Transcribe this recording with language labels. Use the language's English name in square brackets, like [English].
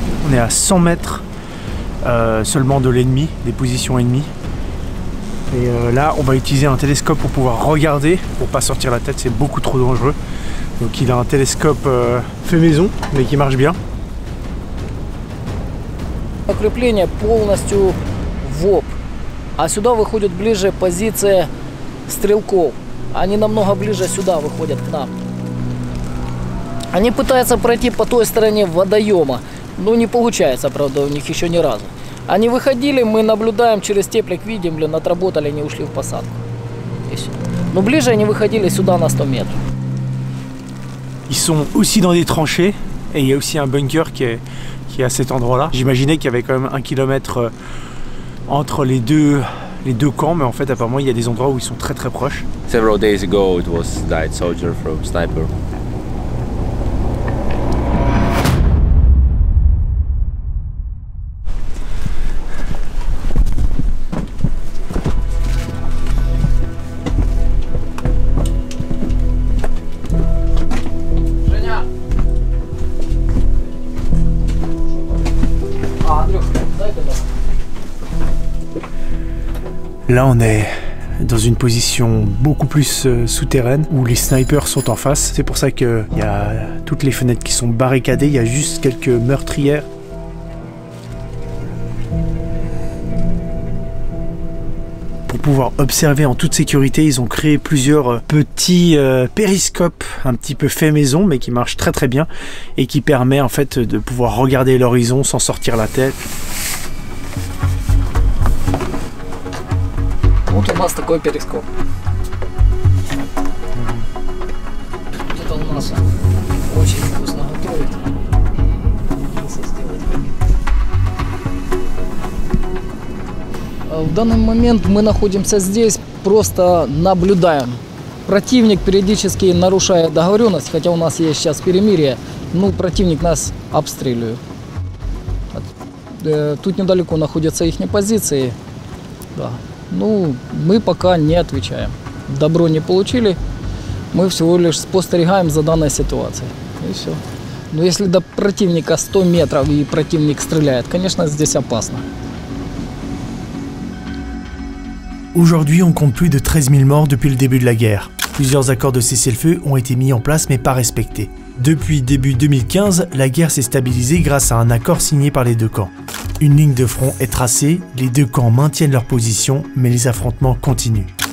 [French] On est à 100 mètres seulement de l'ennemi, des positions ennemies. Et là, on va utiliser un télescope pour pouvoir regarder, pour pas sortir la tête, c'est beaucoup trop dangereux. Donc il a un télescope fait maison, mais qui marche bien. [Russian] Укрепление полностью в ВОП, а сюда выходит ближе позиция стрелков. Они намного ближе сюда выходят к нам. Они пытаются пройти по той стороне водоема, но не получается, правда, у них еще ни разу. Они выходили, мы наблюдаем через теплик, видим, блин, отработали, они ушли в посадку. Но ближе они выходили сюда на 100 метров. [French] Ils sont aussi dans des tranchées, et il y a aussi un bunker qui est à cet endroit-là. J'imaginais qu'il y avait quand même un kilomètre entre les deux camps, mais en fait, apparemment, il y a des endroits où ils sont très très proches. [English] Several days ago, it was died soldier from sniper. [French] Là, on est dans une position beaucoup plus souterraine où les snipers sont en face. C'est pour ça qu'il y a toutes les fenêtres qui sont barricadées. Il y a juste quelques meurtrières. Pour pouvoir observer en toute sécurité, ils ont créé plusieurs petits périscopes un petit peu fait maison, mais qui marchent très très bien et qui permet en fait de pouvoir regarder l'horizon sans sortir la tête. [Russian] Вот у нас такой перископ. Вот это у нас очень вкусно готовит. В данный момент мы находимся здесь, просто наблюдаем. Противник периодически нарушает договоренность, хотя у нас есть сейчас перемирие, но противник нас обстреливает. Тут недалеко находятся их позиции. Да. Ну, мы пока не отвечаем. Добро не получили. Мы всего лишь спостерегаем за данной ситуацией. И все. Но если до противника 100 метров и противник стреляет, конечно, здесь опасно. [French] Aujourd'hui, on compte plus de 13 000 morts depuis le début de la guerre. Plusieurs accords de cessez-le-feu ont été mis en place, mais pas respectés. Depuis début 2015, la guerre s'est stabilisée grâce à un accord signé par les deux camps. Une ligne de front est tracée, les deux camps maintiennent leur position, mais les affrontements continuent.